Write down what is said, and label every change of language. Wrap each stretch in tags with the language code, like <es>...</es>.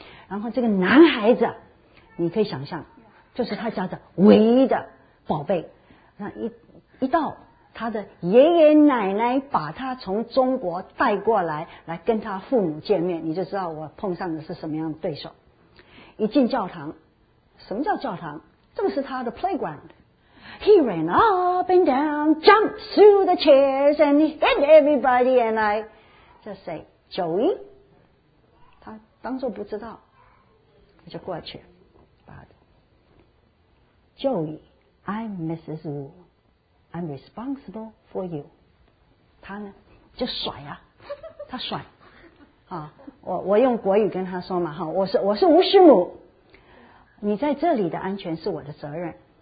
<zh>然后这个男孩子你可以想象，就是他家的唯一的宝贝。那一到他的爷爷奶奶把他从中国带过来，来跟他父母见面，你就知道我碰上的是什么样的对手。一进教堂，什么叫教堂？这个是他的 playground。</zh> <en>He ran up and down, jumped through the chairs and he hit everybody and I.</en> <zh>这谁？九一？他当作不知道，我就过去，把他。</zh> <en>Joey, I'm Mrs. Wu. I'm responsible for you.</en> <zh>他呢就甩啊，他甩啊，我用国语跟他说嘛，哈，我是吴师母，你在这里的安全是我的责任。</zh>